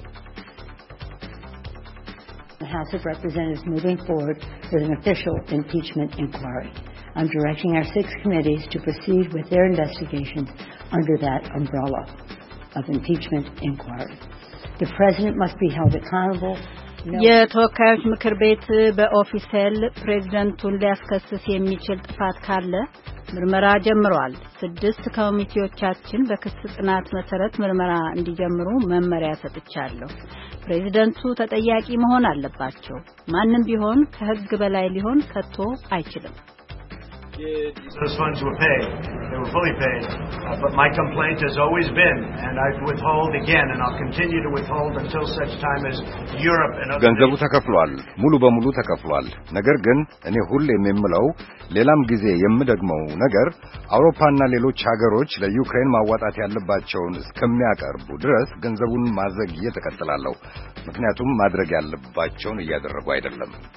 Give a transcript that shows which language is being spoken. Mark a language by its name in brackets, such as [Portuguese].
[English] House of Representatives moving forward with an official impeachment inquiry. I'm directing our six committees to proceed with their investigations under that umbrella of impeachment inquiry. The President must be held accountable. [Amharic] የተወካዮች ምክር ቤት በኦፊሴል ፕሬዝዳንቱን ሊያስከስስ የሚችል ጥፋት ካለ ምርመራ ጀምሯል። ስድስት ኮሚቴዎቻችን በክስ ጥናት መሰረት ምርመራ እንዲጀምሩ መመሪያ ሰጥቻለሁ። ፕሬዝዳንቱ ተጠያቂ መሆን አለባቸው። ማንንም ቢሆን ከህግ በላይ ሊሆን ከቶ አይችልም። [English] These funds were paid. They were fully paid. But my complaint has always been, and I withhold again, and I'll continue to withhold until such time as Europe and other... [Amharic] ገንዘቡ ተከፍሏል። ሙሉ በሙሉ ተከፍሏል። ነገር ግን እኔ ሁሌ የምምለው ሌላም ጊዜ የምደግመው ነገር አውሮፓና ሌሎች ሀገሮች ለዩክሬን ማዋጣት ያለባቸውን እስከሚያቀርቡ ድረስ ገንዘቡን ማዘግየት ተቀጥላለሁ። ምክንያቱም ማድረግ ያለባቸውን እያደረጉ አይደለም።